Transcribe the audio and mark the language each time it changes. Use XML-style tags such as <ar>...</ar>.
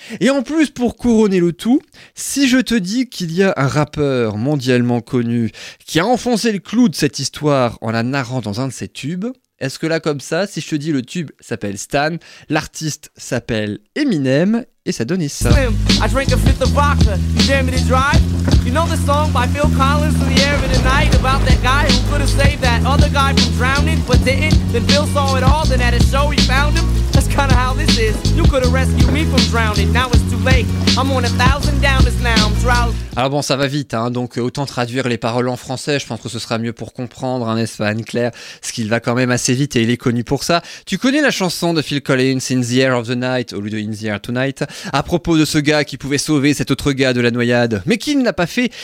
<fr>Et en plus, pour couronner le tout, si je te dis qu'il y a un rappeur mondialement connu qui a enfoncé le clou de cette histoire en la narrant dans un de ses tubes... Est-ce que là, comme ça, si je te dis le tube s'appelle Stan, l'artiste s'appelle Eminem, et ça donne ça.</fr> <en>Slim, I drink a fifth of vodka, you dare me to drive? You know the song by Phil Collins in the air of the night about that guy who could have saved that other guy from drowning, but didn't? Then Phil saw it all, then at a show he found him? That's kind of how this is. You could have rescued me from drowning, now it's too late. I'm on a thousand downers now, I'm drowning.</en> <fr>Alors bon, ça va vite, donc autant traduire les paroles en français, je pense que ce sera mieux pour comprendre, n'est-ce pas, Anne-Claire? Ce qu'il va quand même assez vite et il est connu pour ça. Tu connais la chanson de Phil Collins, In the Air of the Night, au lieu de In the Air Tonight, à propos de ce gars qui pouvait sauver cet autre gars de la noyade, mais qui ne l'a pas fait?</fr>